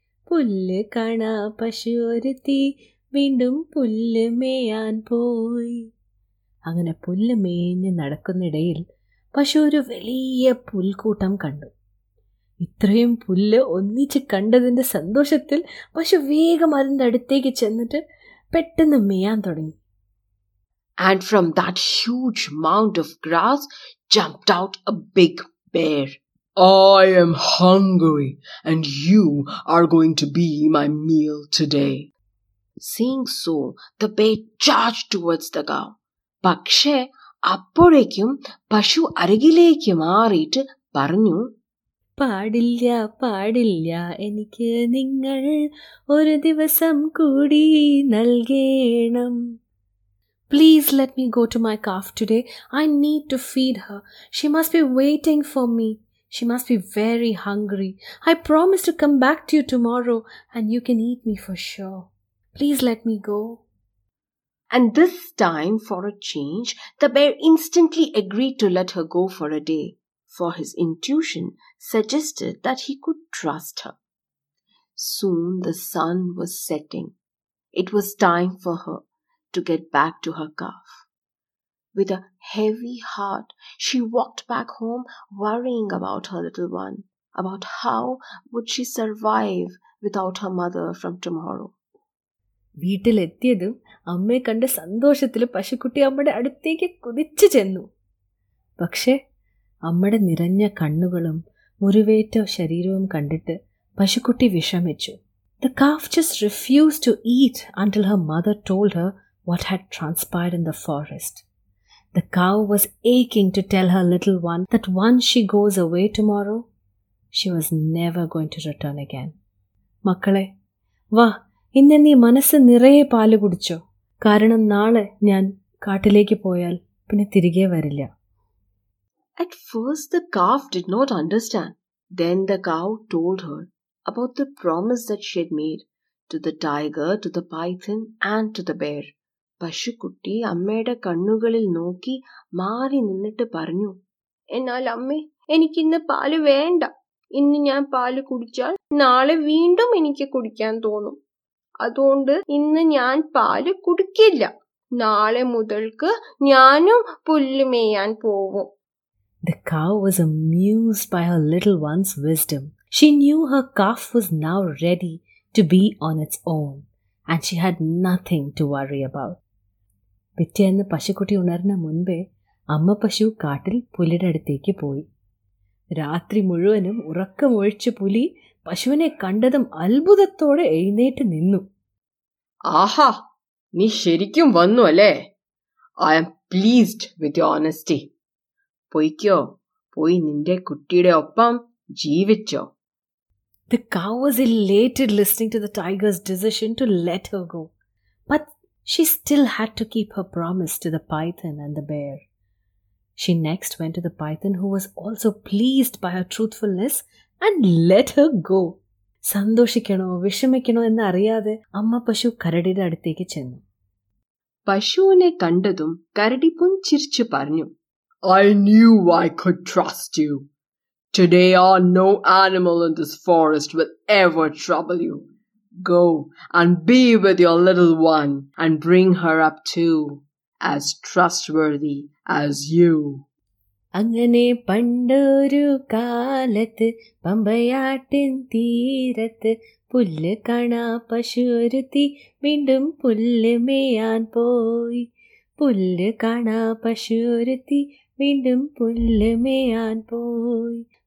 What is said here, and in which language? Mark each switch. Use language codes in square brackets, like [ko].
[ml] പുല്ല് കാണാ പശു ഒരുത്തി വീണ്ടും പുല്ല് മേയാൻ പോയി. അങ്ങനെ പുല്ല് മേഞ്ഞ് നടക്കുന്നിടയിൽ പശു ഒരു വലിയ പുൽക്കൂട്ടം കണ്ടു. ഇത്രയും പുല്ല് ഒന്നിച്ച് കണ്ടതിൻ്റെ സന്തോഷത്തിൽ പശു വേഗം അതിൻ്റെ അടുത്തേക്ക് ചെന്നിട്ട് പെട്ടെന്ന് മേയാൻ തുടങ്ങി. [en] And from that huge mound of grass jumped out a big bear. "I am hungry and you are going to be my meal today." Seeing so, the bear charged towards the cow. [ml] പക്ഷെ അപ്പോഴേക്കും പശു അരികിലേക്ക് മാറിയിട്ട് പറഞ്ഞു, "പാടില്ല പാടില്ല എനിക്ക് നിങ്ങൾ ഒരു ദിവസം കൂടി നൽകേണം. [en] Please let me go to my calf today. I need to feed her. She must be waiting for me. She must be very hungry. I promise to come back to you tomorrow and you can eat me for sure. Please let me go." And this time, for a change, the bear instantly agreed to let her go for a day, for his intuition suggested that he could trust her. Soon the sun was setting. It was time for her to get back to her calf. With a heavy heart, she walked back home, worrying about her little one, about how would she survive without her mother from tomorrow. [ml] വീട്ടിലെത്തിയതും അമ്മയെ കണ്ട് സന്തോഷത്തിൽ പശുക്കുട്ടി അമ്മയുടെ അടുത്തേക്ക് കുതിച്ചു ചെന്നു. പക്ഷേ അമ്മയുടെ നിറഞ്ഞ കണ്ണുകളും മുറിവേറ്റ ശരീരവും കണ്ടിട്ട് പശുക്കുട്ടി വിഷമിച്ചു. [en] The calf just refuse to eat until her mother told her what had transpired in the forest. The cow was aching to tell her little one that one she goes away tomorrow she was never going to return again. [ml] മക്കളെ, വാ ഇന്ന് നീ മനസ്സ് നിറയെ പാല് കുടിച്ചോ. കാരണം നാളെ ഞാൻ കാട്ടിലേക്ക് പോയാൽ പിന്നെ തിരികെ വരില്ല. [en] At first the calf did not understand. Then the cow told her about the promise that she had made to the tiger, to the python and to the bear. [ml] പശുക്കുട്ടി അമ്മയുടെ കണ്ണുകളിൽ നോക്കി മാറി നിന്നിട്ട് പറഞ്ഞു, "എന്നാൽ അമ്മേ, എനിക്കിന്ന് പാല് വേണ്ട. ഇന്ന് ഞാൻ പാല് കുടിച്ചാൽ നാളെ വീണ്ടും എനിക്ക് കുടിക്കാൻ തോന്നും. അതുകൊണ്ട് ഇന്ന് ഞാൻ പാല് കുടിക്കില്ല." നാളെ മുതൽക്ക് ഞാനും പുല്ല് മേയാൻ പോവും. [en] The cow was amused by her little one's wisdom. She knew her calf was now ready to be on its own, and she had nothing to worry about. [ml] പിറ്റേന്ന് പശുക്കുട്ടി ഉണർന്ന മുൻപേ അമ്മ പശു കാട്ടിൽ പുലിയുടെ അടുത്തേക്ക് പോയി. രാത്രി മുഴുവനും ഉറക്കമൊഴിച്ച് പുലി പശുവിനെ കണ്ടതും അത്ഭുതത്തോടെ എഴുന്നേറ്റ് നിന്നു. ആഹാ, നീ ശരിക്കും വന്നു അല്ലേ? [en] I am pleased with your honesty. [ml] പോയിക്കോ, പോയി നിന്റെ കുട്ടിയുടെ ഒപ്പം ജീവിച്ചോ. [en] The cow was elated listening to the tiger's decision to let her go. But she still had to keep her promise to the python and the bear. She next went to the python, who was also pleased by her truthfulness, and let her go. [ml] സന്തോഷിക്കണോ വിഷമിക്കണോ എന്ന് അറിയാതെ അമ്മ പശു കരടിയുടെ അടുത്തേക്ക് ചെന്നു. പശുവിനെ കണ്ടതും കരടി പുഞ്ചിരിച്ചു പറഞ്ഞു. [en] I knew I could trust you. Today or no animal in this forest will ever trouble you. Go and be with your little one and bring her up too, as trustworthy as you. [ml] അങ്ങനെ പണ്ടൊരു കാലത്ത് പമ്പയാട്ടിൻ തീരത്ത് പുല്ല് കാണാ പശു ഒരുത്തി വീണ്ടും പുല്ല് മേയാൻ പോയി. പുല്ല് കാണാ പശു ഒരുത്തി വീണ്ടും പുല്ല് മേയാൻ പോയി.